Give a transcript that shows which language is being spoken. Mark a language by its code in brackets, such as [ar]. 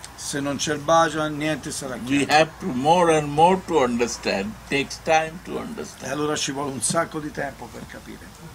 [it] Se non c'è il bhajan, niente sarà chiaro. [en] We have to more and more to understand. Takes time to understand. [it] E allora ci vuole un sacco di tempo per capire.